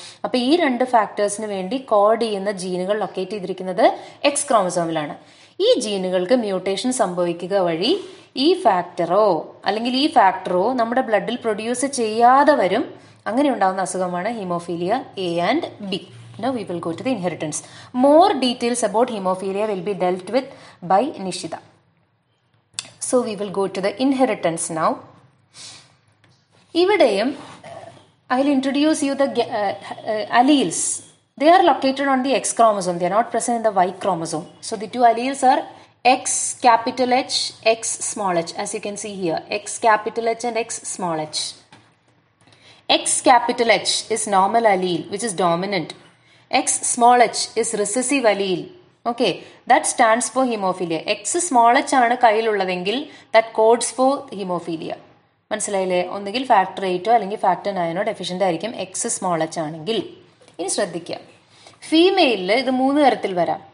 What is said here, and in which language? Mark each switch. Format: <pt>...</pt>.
<ml>അപ്പൊ ഈ രണ്ട് ഫാക്ടേഴ്സിന് വേണ്ടി കോഡ് ചെയ്യുന്ന ജീനുകൾ ലൊക്കേറ്റ് ചെയ്തിരിക്കുന്നത് എക്സ് ക്രോമസോമിലാണ്. ഈ ജീനുകൾക്ക് മ്യൂട്ടേഷൻ സംഭവിക്കുക വഴി ഈ ഫാക്ടറോ അല്ലെങ്കിൽ ഈ ഫാക്ടറോ നമ്മുടെ ബ്ലഡിൽ പ്രൊഡ്യൂസ് ചെയ്യാതെ വരും. അങ്ങനെ ഉണ്ടാകുന്ന അസുഖമാണ് haemophilia A and B.</ml> <en>Now we will go to the inheritance. More details about hemophilia will be dealt with by Nishita. So we will go to the inheritance now.</en> <ml>Ivadeyum</ml> <en>I will introduce you the alleles. They are located on the X chromosome. They are not present in the Y chromosome. So the two alleles are X capital H, X small h. As you can see here, X capital H and X small h. X capital H is normal allele, which is dominant. X small h is recessive allele. Okay, that stands for hemophilia. X small h</en> <ml>ആണ് കയ്യിലുള്ളതെങ്കിൽ</ml> <en>that codes for hemophilia.</en> <ml>മനസ്സിലായില്ലേ? ഒന്നുകിൽ factor എയ്റ്റോ അല്ലെങ്കിൽ factor നയനോ deficient ആയിരിക്കും X small h ആണെങ്കിൽ. ഇനി ശ്രദ്ധിക്കുക, ഫീമെയിലിൽ ഇത് മൂന്ന് തരത്തിൽ വരാം.</ml>